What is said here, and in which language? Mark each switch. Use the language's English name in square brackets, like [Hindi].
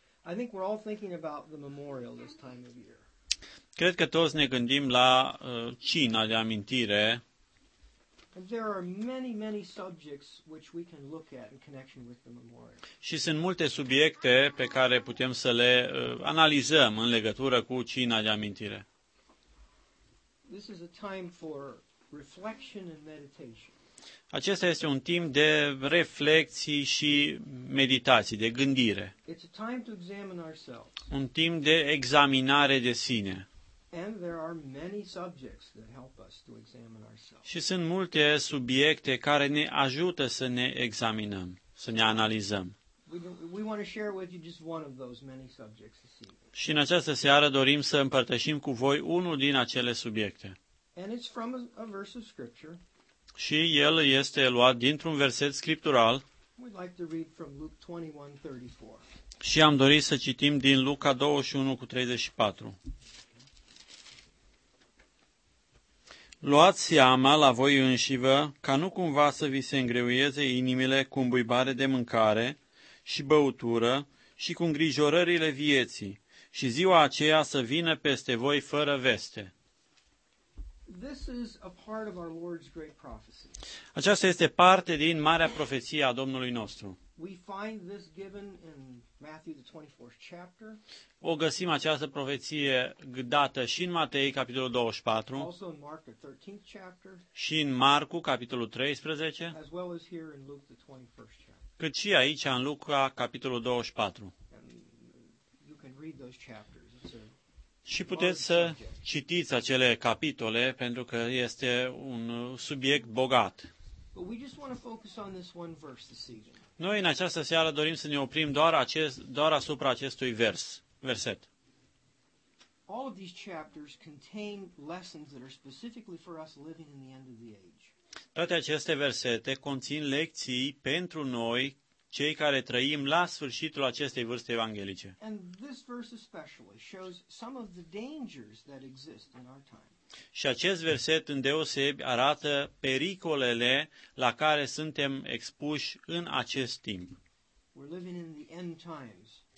[English] I think we're all thinking about the memorial this time of year. [Romanian] Cred că toți ne gândim la cina de amintire. [English] There are many, many subjects which we can look at in connection with the memorial. [Romanian] Și sunt multe subiecte pe care putem să le analizăm în legătură cu cina de amintire. [English] This is a time for reflection and meditation. [Romanian] Acesta este un timp de reflecții și meditații, de gândire. [English] It's a time to examine ourselves. [Romanian] Un timp de examinare de sine. [English] And there are many subjects that help us to examine ourselves. [Romanian] Și sunt multe subiecte care ne ajută să ne examinăm, să ne analizăm. [English] We want to share with you just one of those many subjects this evening. [Romanian] Și în această seară dorim să împărtășim cu voi unul din acele subiecte. [English] And it's from a verse of scripture. [Romanian] Și el este luat dintr-un verset scriptural. [English] We'd like to read from Luke 21:34. [Romanian] Și am dorit să citim din Luca 21:34. Luați seama la voi înșivă, ca nu cumva să vi se îngreuieze inimile cu îmbuibare de mâncare și băutură și cu îngrijorările vieții, și ziua aceea să vină peste voi fără veste. [English] This is a part of our Lord's great prophecy. [Romanian] Aceasta este parte din marea profeție a Domnului nostru. [English] We find this given in Matthew, the 24th chapter. [Romanian] O găsim această profeție dată și în Matei, capitolul 24, [English] also in Mark, the 13th chapter, [Romanian] și în Marcu, capitolul 13, [English] as well as here in Luke, the 21st chapter. [Romanian] Cât și aici, în Luca, capitolul 24. [English] You can read those chapters. It's a [Romanian] și puteți să citiți acele capitole, pentru că este un subiect bogat. [English] But we just want to focus on this one verse this evening. [Romanian] Noi în această seară dorim să ne oprim doar asupra acestui verset. [English] All of these chapters contain lessons that are specifically for us living in the end of the age. [Romanian] Toate aceste versete conțin lecții pentru noi, cei care trăim la sfârșitul acestei vârste evanghelice. [English] And this verse especially shows some of the dangers that exist in our time. [Romanian] Și acest verset îndeosebi arată pericolele la care suntem expuși în acest timp. [English] We're living in the end times.